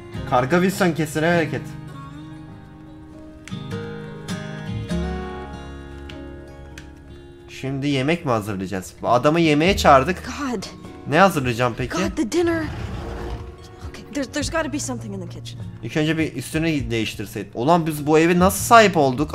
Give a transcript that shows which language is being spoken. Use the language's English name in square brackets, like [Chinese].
[Turkish] Karga Wilson kesene hareket. Şimdi yemek mi hazırlayacağız? Adamı yemeğe çağırdık. [English] God. [Turkish] Ne hazırlayacağım peki? [English] God, the dinner. Okay, there's gotta be something in the kitchen. [Turkish] İlk önce bir üstünü değiştirseydin. Ulan biz bu eve nasıl sahip olduk?